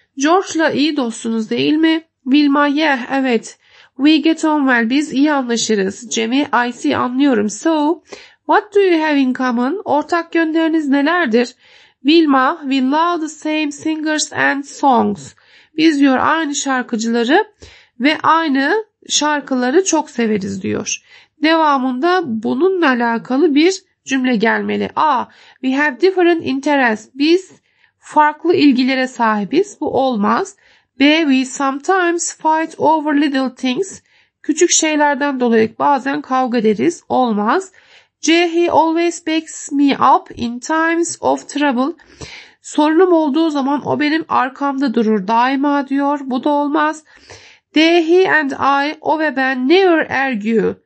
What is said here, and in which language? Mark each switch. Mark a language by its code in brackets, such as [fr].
[tr] George'la iyi dostsunuz değil mi? Wilma, [en] yeah, [tr] evet. [en] We get on well, [tr] biz iyi anlaşırız. [en] Jimmy, I see, [tr] anlıyorum. [en] So, what do you have in common? [tr] Ortak yönleriniz nelerdir? [en] Wilma, we love the same singers and songs. [tr] Biz diyor aynı şarkıcıları ve aynı şarkıları çok severiz diyor. Devamında bununla alakalı bir cümle gelmeli. A. [en] We have different interests. [tr] Biz farklı ilgilere sahibiz. Bu olmaz. [en] B. We sometimes fight over little things. [tr] Küçük şeylerden dolayı bazen kavga ederiz. Olmaz. C. [en] He always backs me up in times of trouble. [tr] Sorunum olduğu zaman o benim arkamda durur daima diyor. Bu da olmaz. D. [en] He and I, [tr] o ve ben, [en] never argue.